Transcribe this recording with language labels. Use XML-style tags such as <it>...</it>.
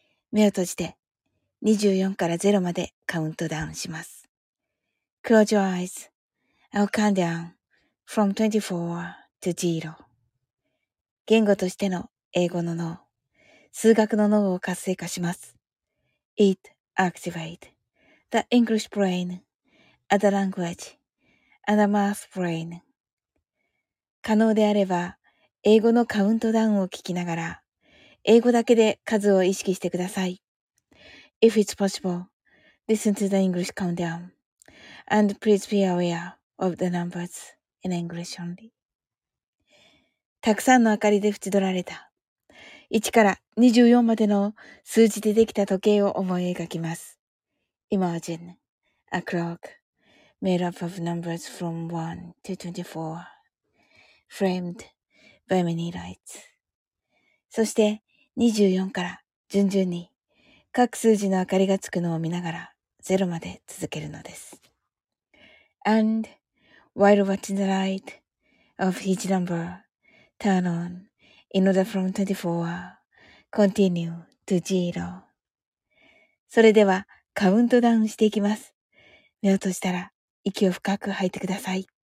<ja>目を閉じて24から0までカウントダウンします。</ja> <en>Close your eyes. I'll count down from 24 to 0.</en> <ja>言語としての英語の脳、数学の脳を活性化します。</ja> <en>It activate. The English brain, other language, and the math brain.</en> <ja>可能であれば、英語のカウントダウンを聞きながら、英語だけで数を意識してください。</ja> <en>If it's possible, listen to the English countdown. And please be aware of the numbers in English only.</en> <ja>たくさんの明かりで縁取られた。1から24までの数字でできた時計を思い描きます。</ja> <en>Imagine a clock made up of numbers from 1 to 24, framed by many lights.</en> <ja>そして24から順々に各数字の明かりがつくのを見ながら0まで続けるのです。</ja> <en>And while watching the light of each number turn on in order from 24, continue to 0.</en> <ja>それではカウントダウンしていきます。目を閉じたら息を深く吐いてください。</ja>